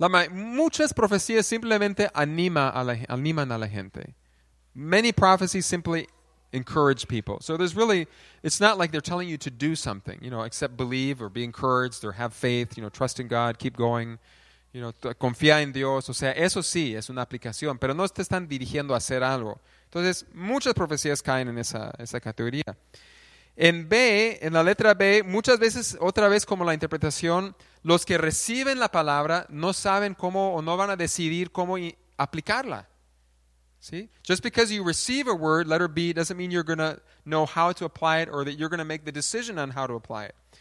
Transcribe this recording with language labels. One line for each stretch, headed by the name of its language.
Spanish: Muchas profecías simplemente animan a la gente.
English: Many prophecies simply encourage people. So there's really, it's not like they're telling you to do something, except believe or be encouraged or have faith, trust in God, keep going,
Spanish: confía en Dios. O sea, eso sí, es una aplicación, pero no te están dirigiendo a hacer algo. Entonces, muchas profecías caen en esa categoría. En la letra B, muchas veces, otra vez como la interpretación, los que reciben la palabra no saben cómo o no van a decidir cómo aplicarla.
English: See, just because you receive a word, letter B, doesn't mean you're going to know how to apply it or that you're going to make the decision on how to apply it.